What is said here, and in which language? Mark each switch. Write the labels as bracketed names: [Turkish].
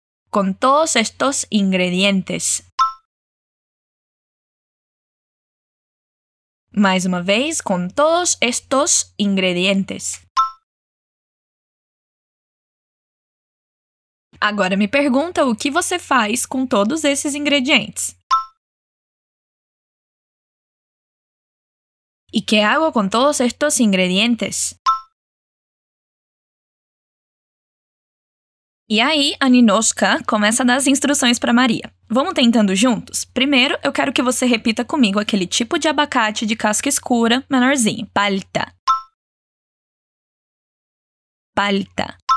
[Spanish] Com todos estos ingredientes. [Portuguese] Mais uma vez, [Spanish] com todos estos ingredientes. [Portuguese] Agora me pergunta o que você faz com todos esses ingredientes. [Spanish] ¿Y qué hago con todos estos ingredientes? [Portuguese] E aí, a Ninoska começa a dar as instruções para Maria. Vamos tentando juntos? Primeiro, eu quero que você repita comigo aquele tipo de abacate de casca escura, menorzinho. [Spanish] Palta. Palta.